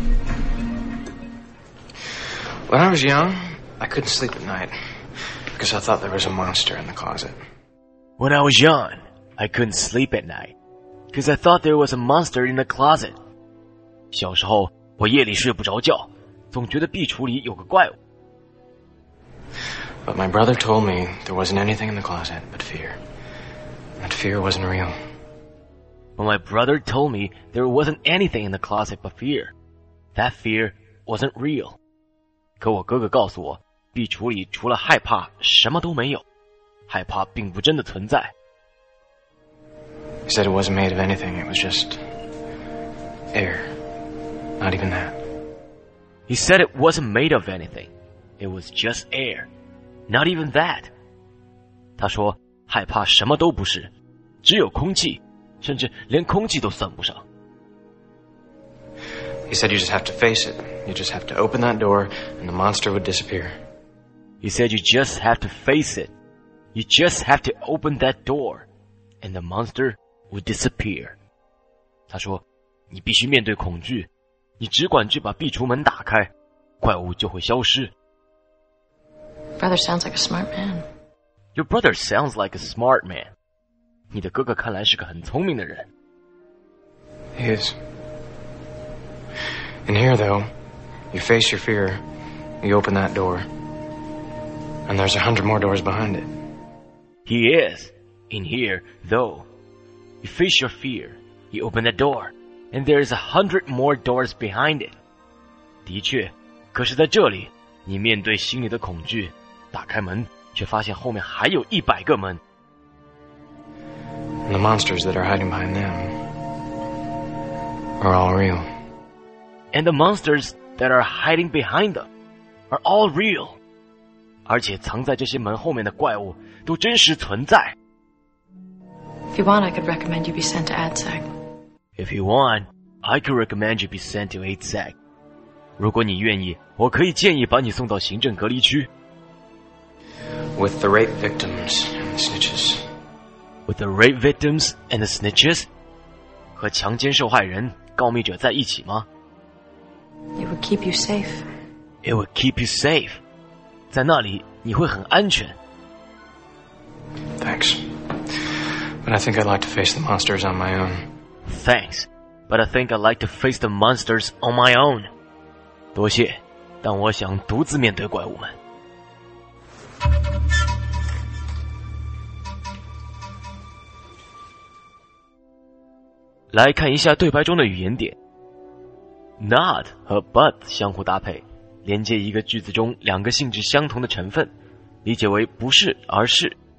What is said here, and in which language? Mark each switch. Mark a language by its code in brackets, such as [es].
[en] When I was young, I couldn't sleep at night because I thought there was a monster in the closet. When I was young, I couldn't sleep at night because I thought there was a monster in the closet. [zh] 小时候，我夜里睡不着觉，总觉得壁橱里有个怪物。 [en] But my brother told me there wasn't anything in the closet but fear. That fear wasn't real. But my brother told me there wasn't anything in the closet but fear. That fear wasn't real. [zh] 可我哥哥告诉我，壁橱里除了害怕什么都没有，害怕并不真的存在。 [en] He said it wasn't made of anything, it was just air, not even that. He said it wasn't made of anything, it was just air, not even that. [zh] 他说害怕什么都不是，只有空气，甚至连空气都算不上。 [en] He said you just have to face it. You just have to open that door and the monster would disappear. He said you just have to face it. You just have to open that door and the monster would disappear. [zh] 他说你必须面对恐惧，你只管去把壁橱门打开，怪物就会消失。 [en] Brother sounds like a smart man. Your brother sounds like a smart man. [zh] 你的哥哥看来是个很聪明的人。 [en] He is. In here, though, you face your fear, you open that door, and there's 100 more doors behind it. He is. In here, though, you face your fear, you open that door, and there's 100 more doors behind it. [zh] 的确，可是在这里，你面对心里的恐惧，打开门，却发现后面还有100个门。 [en] And the monsters that are hiding behind them are all real. And the monsters that are hiding behind them are all real. [zh] 而且藏在这些门后面的怪物都真实存在。 [en] If you want, I could recommend you be sent to ADSEC. If you want, I could recommend you be sent to ADSEC. [zh] 如果你愿意，我可以建议把你送到行政隔离区。 [en] With the rape victims and the snitches. With the rape victims and the snitches? [zh] 和强奸受害人、告密者在一起吗？ [en] It would keep you safe. It would keep you safe. [zh] 在那里你会很安全。 [en] Thanks. But I think I'd like to face the monsters on my own. Thanks. But I think I'd like to face the monsters on my own. [zh] 多谢，但我想独自面对怪物们。来看一下对白中的语言点。Not 和 but 相互搭配，连接一个句子中两个性质相同的成分，理解为不是而是。